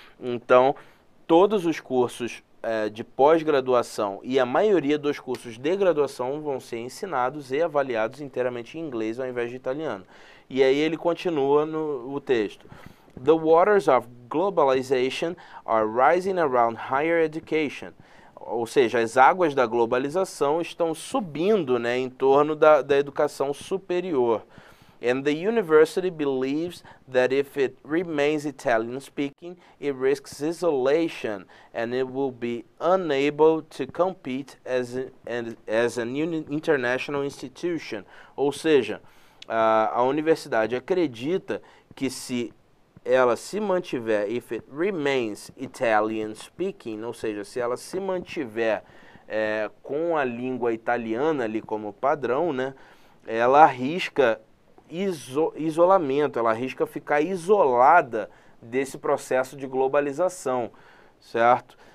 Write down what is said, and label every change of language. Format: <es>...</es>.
<pt>Então, todos os cursos de pós-graduação e a maioria dos cursos de graduação vão ser ensinados e avaliados inteiramente em inglês ao invés de italiano. E aí ele continua no o texto.</pt> <en>The waters of globalization are rising around higher education.</en> <pt>Ou seja, as águas da globalização estão subindo, né, em torno da educação superior.</pt> <en>And the university believes that if it remains Italian speaking, it risks isolation and it will be unable to compete as an international institution.</en> <pt>Ou seja, a universidade acredita que se ela se mantiver,</pt> <en>if it remains Italian speaking,</en> <pt>ou seja, se ela se mantiver com a língua italiana ali como padrão, né, ela arrisca isolamento, ela arrisca ficar isolada desse processo de globalização, certo?</pt>